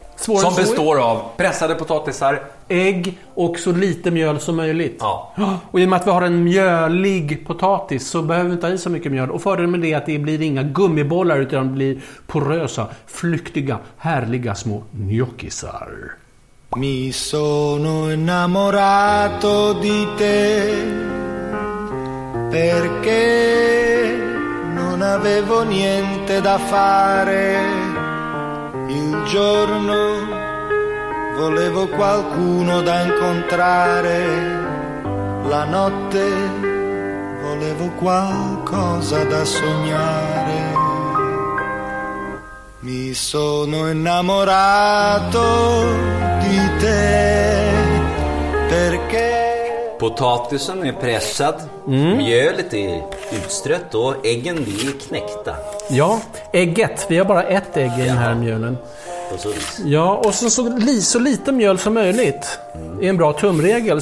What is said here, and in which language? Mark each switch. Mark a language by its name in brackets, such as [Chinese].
[Swedish] Svårare som består av pressade potatisar, ägg och så lite mjöl som möjligt. Ja. Och i och med att vi har en mjölig potatis så behöver vi inte ha i så mycket mjöl. Och fördelen med det är att det blir inga gummibollar utan blir porösa, flyktiga, härliga små gnocchisar. [Italian] Mi sono innamorato di te. Perché non avevo niente da fare. Il giorno volevo qualcuno da incontrare. La notte volevo qualcosa da sognare. Mi sono innamorato di te. Perché [Swedish] potatisen är pressad, mjölet är utstrött och äggen är knäckta. Ja, ägget. Vi har bara ett ägg i den här mjölen. Ja, och så lite mjöl som möjligt är en bra tumregel.